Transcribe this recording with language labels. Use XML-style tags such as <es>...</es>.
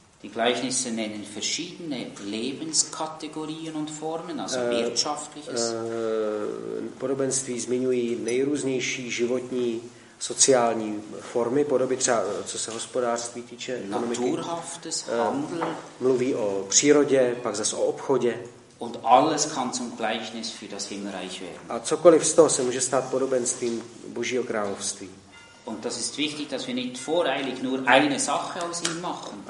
<de>Die Gleichnisse nennen verschiedene Lebenskategorien und Formen, also wirtschaftliches.</de> <cs>Podobenství zmiňují nejrůznější životní sociální formy, podoby třeba, co se hospodářství týče, ekonomiky.</cs> <de>Naturhaftes Handel.</de> <cs>Mluví o přírodě, pak zase o obchodě.</cs> <de>Und alles kann zum Gleichnis für das Himmelreich werden.</de> <cs>A cokoliv z toho se může stát podobenstvím Božího království.</cs> <de>Und das ist wichtig, dass wir nicht voreilig nur eine Sache aus ihm machen.</de>